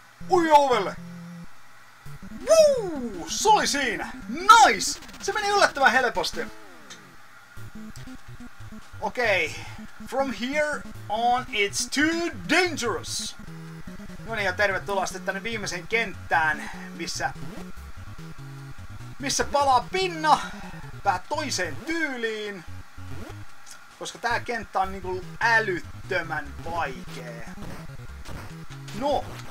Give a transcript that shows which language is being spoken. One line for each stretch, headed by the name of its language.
Finnish: Ui ovelle! Wuuu! Se oli siinä!
English: Nice!
Finnish: Se meni yllättävän helposti. Okei.
English: Okay. From here on it's too dangerous!
Finnish: No niin, ja tervetuloa sitten tänne viimeisen kenttään, missä palaa pinna vähän toiseen tyyliin. Koska tää kenttä on niinku älyttömän vaikee. No!